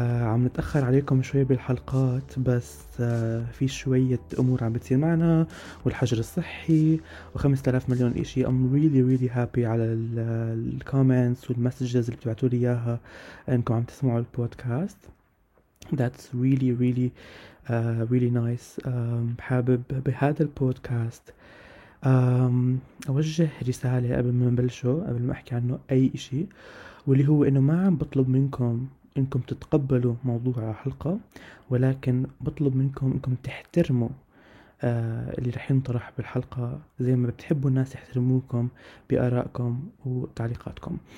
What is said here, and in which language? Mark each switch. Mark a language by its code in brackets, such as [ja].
[ar] عم نتأخر عليكم شوية بالحلقات بس في شوية أمور عم بتصير معنا والحجر الصحي وخمسة آلاف مليون إشي. [en] I'm really really happy [ar] على الكومنتس والمسجز اللي بتبعتوا لي إياها إنكم عم تسمعوا البودكاست. [en] That's really really really nice. [ar] حابب بهذا البودكاست أوجه رسالة قبل ما نبلشه قبل ما أحكي عنه أي إشي، واللي هو إنه ما عم بطلب منكم إنكم تتقبلوا موضوع حلقة، ولكن بطلب منكم إنكم تحترموا اللي رح ينطرح بالحلقة زي ما بتحبوا الناس يحترموكم بآرائكم وتعليقاتكم.